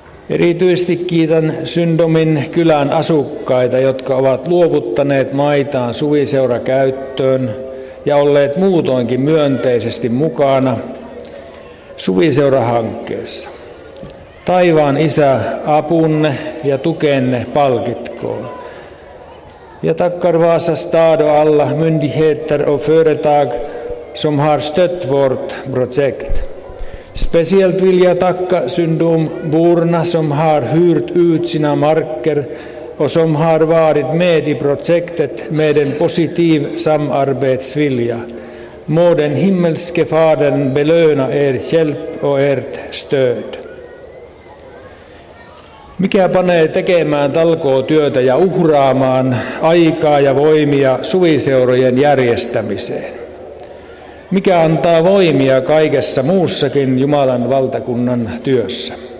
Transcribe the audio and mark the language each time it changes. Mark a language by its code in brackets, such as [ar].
[fi] Erityisesti kiitän Syndomin kylän asukkaita, jotka ovat luovuttaneet maitaan Suviseura-käyttöön ja olleet muutoinkin myönteisesti mukana Suviseura-hankkeessa. Taivaan Isä, apunne ja tukenne palkitkoon. [sv] Ja tackar Vasa stad och alla myndigheter och företag som har stött vårt projekt. Speciellt vill jag tacka syndomborna som har hyrt ut sina marker och som har varit med i projektet med en positiv samarbetsvilja. Må den himmelske fadern belöna er hjälp och ert stöd. [fi] Mikä panee tekemään talkootyötä ja uhraamaan aikaa ja voimia suviseurojen järjestämiseen? Mikä antaa voimia kaikessa muussakin Jumalan valtakunnan työssä?